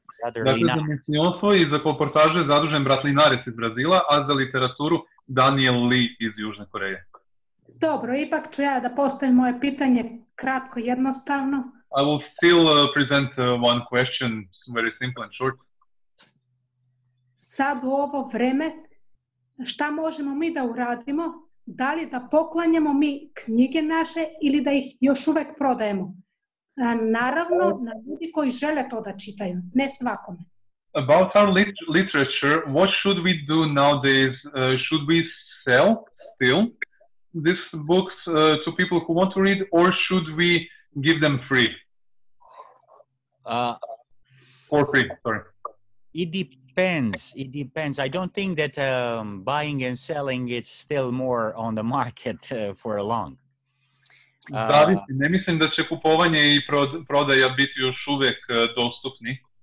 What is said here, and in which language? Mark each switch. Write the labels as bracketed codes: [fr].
[en] Mm-hmm. Brother Linares. [sr] Iz Brazila, a za literaturu Daniel Lee iz Južne Koreje. Dobro, ipak ću ja da postavim moje pitanje kratko, jednostavno. I will still present one question, very simple and short. Sad u ovo vreme, šta možemo mi da uradimo? Da li da poklanjamo mi knjige naše ili da ih još uvek prodajemo? Naravno, na ljudi koji žele to da čitaju, ne svakome. [en] About our literature, what should we do nowadays? Should we sell still these books to people who want to read, or should we give them free? For free, sorry. It depends. I don't think that buying and selling is still more on the market for long. [sr] Zavisi. Ne mislim da će kupovanje i prodaja biti još uvek dostupni.